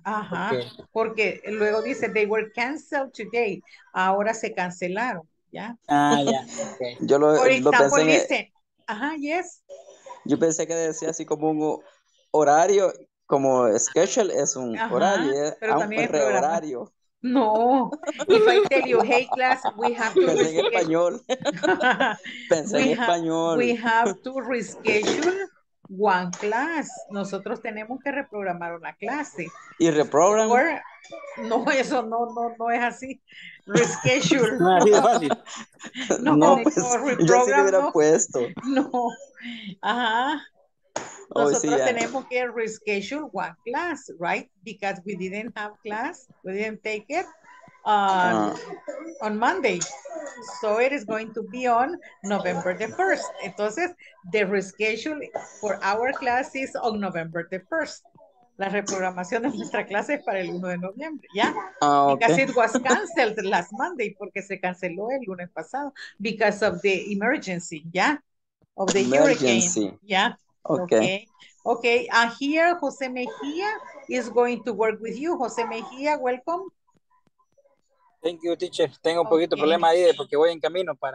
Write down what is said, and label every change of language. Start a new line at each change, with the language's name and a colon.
English: Ajá. Okay.
Spanish: Porque luego dice
English: they were canceled today.
Spanish: Ahora se cancelaron, ¿ya? Ah, ya. Yeah. Okay. Yo lo pensé. Ajá, yes. Yo pensé que decía así como un horario, como schedule es un ajá, horario, pero también es horario.
English: No, if I tell you, hey class, we have to
Spanish: reschedule. Pensé en español.
English: We have to reschedule one class.
Spanish: Nosotros tenemos que reprogramar una clase.
English: ¿Y reprogram? Or,
Spanish: no, eso no es así. Reschedule. No, así de fácil. No, pues, yo sí lo hubiera puesto. No, ajá. Nosotros tenemos que
English: reschedule one class, right? Because we didn't have class, we didn't take it on Monday. So it is going to be on November the 1st. Entonces, the reschedule for our class is on November the 1st.
Spanish: La reprogramación de nuestra clase es para el 1 de noviembre, ¿ya?
English: Yeah? Okay. Because it was canceled last Monday,
Spanish: porque se canceló el lunes pasado,
English: because of the emergency, ¿ya? Yeah? Of the emergency. Hurricane, ¿ya? Yeah? Okay. Okay. Here, Jose Mejia is going to work with you. Jose Mejia, welcome. Thank you, teacher.
Spanish: Tengo un poquito problema ahí porque voy en camino para